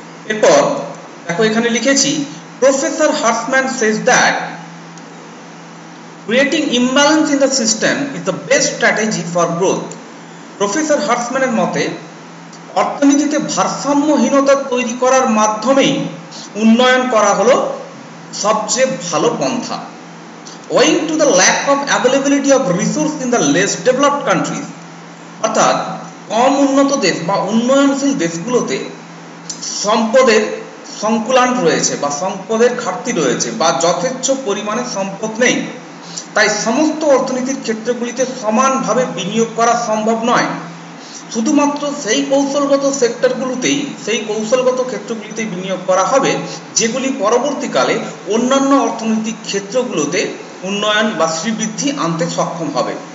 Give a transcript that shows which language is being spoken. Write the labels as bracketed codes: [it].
[en] এরপর দেখো এখানে লিখেছি, professor Hirschman says that creating imbalance in the system is the best strategy for growth. [bn] Professor হার্সম্যানের মতে অর্থনীতিতে ভারসাম্যহীনতা তৈরি করার মাধ্যমেই উন্নয়ন করা হলো সবচেয়ে ভালো পন্থা। [en] Owing to the lack of availability of resource in the less developed countries, [bn] অর্থাৎ কম উন্নত দেশ বা উন্নয়নশীল দেশগুলোতে সম্পদের সংকুলান রয়েছে বা সম্পদের ঘাটতি রয়েছে বা যথেচ্ছ পরিমাণে সম্পদ নেই, তাই সমস্ত অর্থনৈতিক ক্ষেত্রগুলিতে সমানভাবে বিনিয়োগ করা সম্ভব নয়। শুধুমাত্র সেই কৌশলগত সেক্টরগুলোতেই, সেই কৌশলগত ক্ষেত্রগুলিতে বিনিয়োগ করা হবে যেগুলি পরবর্তীকালে অন্যান্য অর্থনৈতিক ক্ষেত্রগুলোতে উন্নয়ন বা শ্রীবৃদ্ধি আনতে সক্ষম হবে।